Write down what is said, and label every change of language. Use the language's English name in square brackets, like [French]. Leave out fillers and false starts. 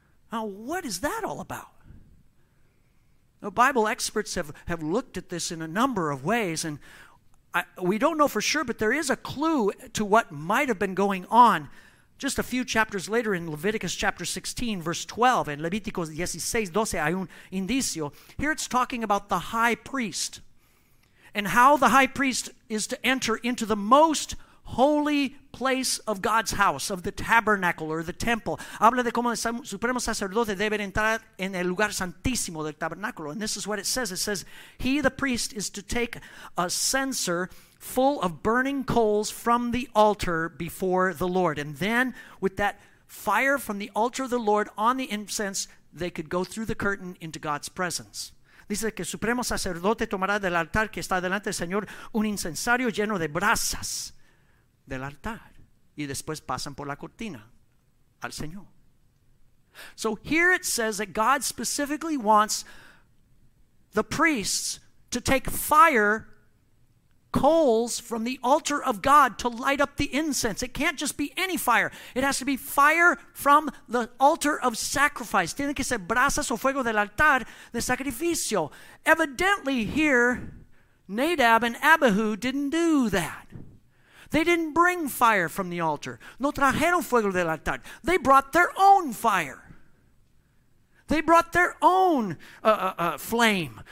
[English] Now, what is that all about? Bible experts have looked at this in a number of ways, and we don't know for sure, but there is a clue to what might have been going on just a few chapters later in Leviticus chapter 16, verse 12. In [Spanish] Levíticos 16, 12, hay un indicio. [English] Here it's talking about the high priest and how the high priest is to enter into the most holy place of God's house, of the tabernacle or the temple. [Spanish] Habla de cómo el supremo sacerdote debe entrar en el lugar santísimo del tabernáculo. [English] And this is what it says. It says, he, the priest, is to take a censer full of burning coals from the altar before the Lord. And then with that fire from the altar of the Lord on the incense, they could go through the curtain into God's presence. [Spanish] Dice que el supremo sacerdote tomará del altar que está delante del Señor un incensario lleno de brasas del altar, y después pasan por la cortina al Señor. [English] So here it says that God specifically wants the priests to take fire, coals from the altar of God to light up the incense. It can't just be any fire. It has to be fire from the altar of sacrifice. [Spanish] Tiene que ser brasas o fuego del altar de sacrificio. [English] Evidently here, Nadab and Abihu didn't do that. They didn't bring fire from the altar. [Spanish] No trajeron fuego del altar. [English] They brought their own fire. They brought their own flame.